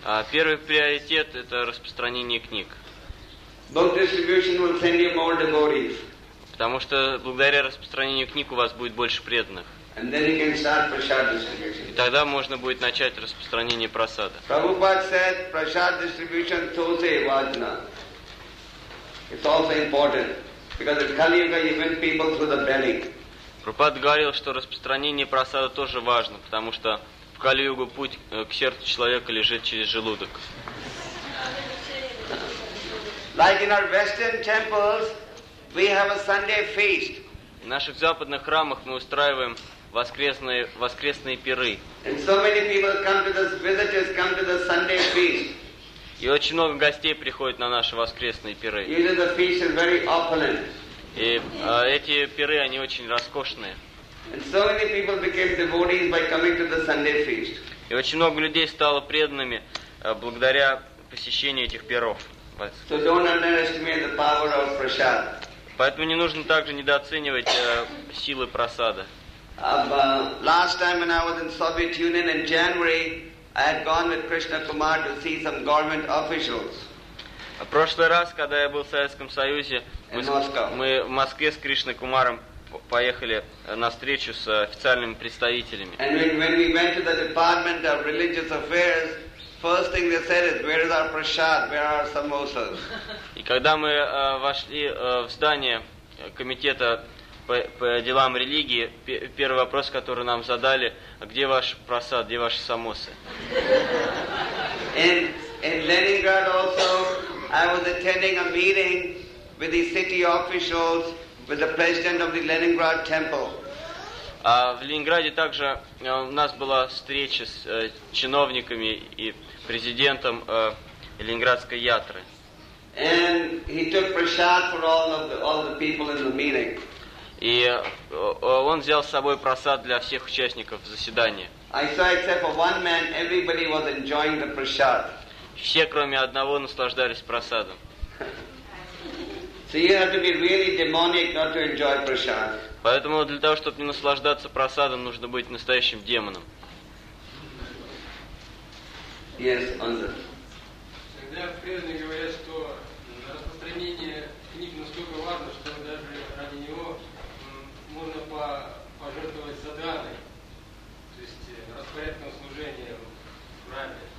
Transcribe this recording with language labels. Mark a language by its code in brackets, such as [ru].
[ru] Первый приоритет – это распространение книг. [en] Book distribution will send you more devotees. [ru] Потому что благодаря распространению книг у вас будет больше преданных. [en] And then you can start prasad distribution. [ru] И тогда можно будет начать распространение прасада. [en] Prabhupada said prasad distribution tose vajna. It's also important because in Kali Yuga you win people through the belly. [ru] Prabhupada говорил, что распространение прасада тоже важно, потому что в Кали Югу путь к сердцу человека лежит через желудок. [en] Like in our Western temples, we have a Sunday feast. [ru] наших западных храмах мы устраиваем воскресные пиры. [en] And so many people come to this, visitors come to the Sunday feast. [ru] И очень много гостей приходит на наши воскресные пиры. [en] Usually the feast is very opulent. [ru] И эти пиры, они очень роскошные. [en] And so many people became devotees by coming to the Sunday feast. [ru] И очень много людей стало преданными благодаря посещению этих пиров. [en] So don't underestimate the power of prasad. [ru] Поэтому не нужно также недооценивать силы просада. [en] Last time when I was in Soviet Union in January, I had gone with Krishna Kumar to see some government officials. [ru] В прошлый раз, когда я был в Советском Союзе, мы в Москве с Кришной Кумаром поехали на встречу с официальными представителями. [en] And when we went to the Department of Religious Affairs, first thing they said is, where is our prasad? Where are our samosas? [ru] И когда мы вошли в здание комитета по делам религии, первый вопрос, который нам задали, где ваш просад, где ваши самосы? [en] In Leningrad also, I was attending a meeting with the city officials, with the president of the Leningrad Temple. [ru] В Ленинграде также у нас была встреча с чиновниками и президентом Ленинградской ятры. [en] And he took prasad for all the people in the meeting. [ru] И он взял с собой просад для всех участников заседания. [en] I saw except for one man, everybody was enjoying the prasad. [ru] Все, кроме одного, наслаждались просадом. [en] So you have to be really demonic not to enjoy prasad. [ru] Поэтому для того, чтобы не наслаждаться просадом, нужно быть настоящим демоном. [en] Yes, Andrew. [ru] Когда преданные говорят, что распространение книг настолько важно, что даже ради него можно пожертвовать садханой, то есть распорядком служения в храме.